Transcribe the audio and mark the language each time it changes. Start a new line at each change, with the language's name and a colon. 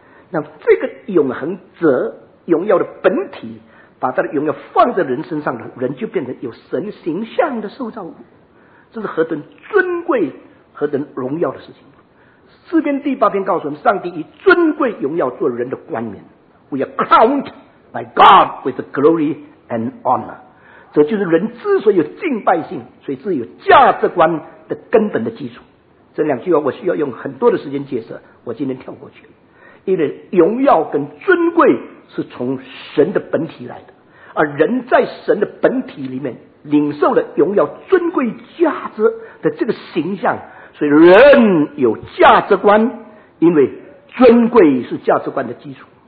Chinese: 那这个永恒者荣耀的本体，把他的荣耀放在人身上，人就变成有神形象的受造物。这是何等尊贵，何等荣耀的事情。诗篇第八篇告诉我们，上帝以尊贵荣耀做人的冠冕。
English: We are crowned by God with glory and honor.
Chinese: 这就是人之所以有敬拜性，所以自有价值观的根本的基础。这两句话我需要用很多的时间解释，我今天跳过去了。因为荣耀跟尊贵是从神的本体来的，而人在神的本体里面领受了荣耀尊贵价值的这个形象，所以人有价值观，因为尊贵是价值观的基础。